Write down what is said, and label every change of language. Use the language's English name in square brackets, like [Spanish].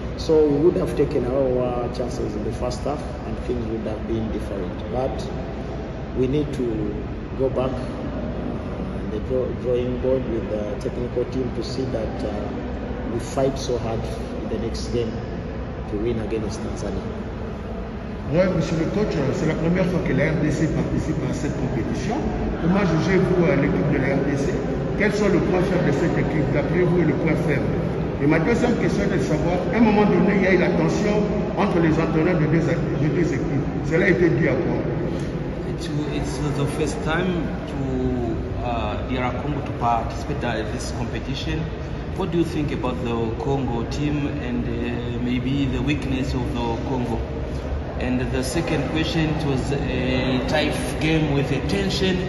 [English] So we would have taken our chances in the first half and things would have been different. But we need to go back on the drawing board with the technical team to see that we fight so hard in the next game to win against Tanzania. [French] Oui, monsieur le coach, c'est la première fois que la RDC participe à cette compétition. Comment jugez-vous l'équipe de la RDC? Quels sont les points faibles de cette équipe? D'après vous, le point faible? Et ma deuxième question est de savoir, à un moment donné, il y a eu la tension entre les entraîneurs de deux équipes. Cela a été dit à quoi? [English] It's the first time to DR Congo to participate in this competition. What do you think about the Congo team and maybe the weakness of the Congo? And the second question, it was a tight game with a tension.